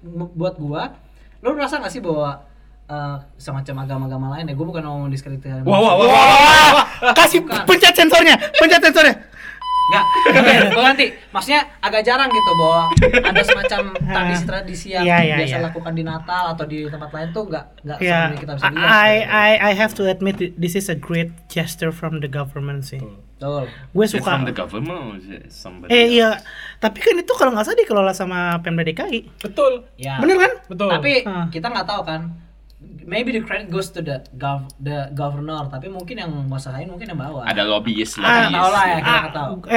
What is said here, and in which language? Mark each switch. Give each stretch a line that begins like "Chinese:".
Indonesian: Buat gue, lo merasa gak sih bahwa semacam agama-agama lain ya, gue bukan mau mendiskreditkan. Wah, kasih pencet sensornya. Enggak, gue nanti, maksudnya agak jarang gitu bahwa ada semacam tradisi-tradisi yang biasa lakukan di Natal atau di tempat lain tuh enggak yeah. Sebenernya kita bisa lihat.
English: I have to admit, this is a great gesture from the government sih.
Indonesian: Betul. Gue suka.
English: From the government or somebody else?
Indonesian: Iya, tapi kan itu kalau nggak salah dikelola sama Pemda DKI. Betul. Ya. Bener kan? Betul. Tapi kita nggak tahu kan,
English: maybe the credit goes to the governor,
Indonesian: tapi mungkin yang masalahin mungkin yang bawah. Ada lobbyist lah. Tahu lah ya, kita nggak tahu.